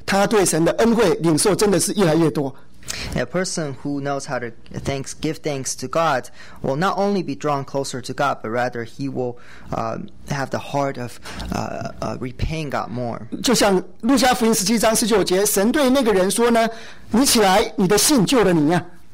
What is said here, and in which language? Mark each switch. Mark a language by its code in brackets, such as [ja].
[zh] 懂得感恩的人，除了对神越来越认识之外呢，越亲近之外呢，再来就是他对神的恩惠领受真的是越来越多。 [en] A person who knows how to give thanks to God will not only be drawn closer to God, but rather he will have the heart of repaying God more. [zh] 就像路加福音17章19节，神对那个人说呢，你起来，你的信救了你呀。